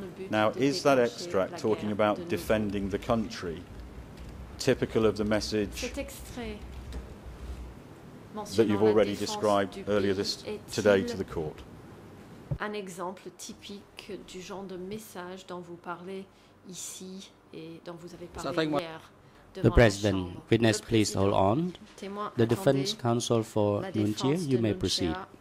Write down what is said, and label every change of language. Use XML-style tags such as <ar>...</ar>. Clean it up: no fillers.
<en>Now, is that extract talking about defending the country typical of the message that you've already described earlier this today to the court?</en> <fr>Un exemple typique du genre de message dont vous parlez ici et dont vous avez parlé hier.</fr> <en>The President, witness please hold on. The Defense Counsel for Nunchia, you may proceed.</en>